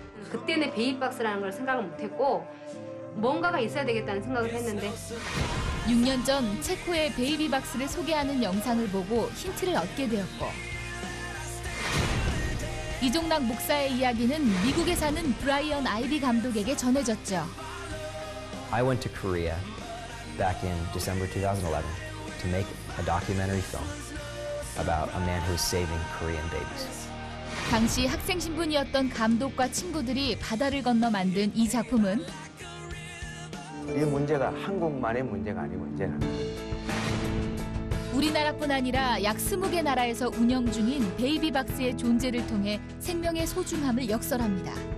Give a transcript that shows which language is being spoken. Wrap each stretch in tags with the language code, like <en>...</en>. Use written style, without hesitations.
<ko>그때는 베이비 박스라는 걸 생각을 못했고 뭔가가 있어야 되겠다는 생각을 했는데 6년 전 체코의 베이비 박스를 소개하는 영상을 보고 힌트를 얻게 되었고 이종락 목사의 이야기는 미국에 사는 브라이언 아이비 감독에게 전해졌죠.</ko> <en>I went to Korea back in December 2011 to make a documentary film about a man who is saving Korean babies.</en> <ko>당시 학생 신분이었던 감독과 친구들이 바다를 건너 만든 이 작품은 이 문제가 한국만의 문제가 아니고 이제는 우리나라뿐 아니라 약 20개 나라에서 운영 중인 베이비 박스의 존재를 통해 생명의 소중함을 역설합니다.</ko>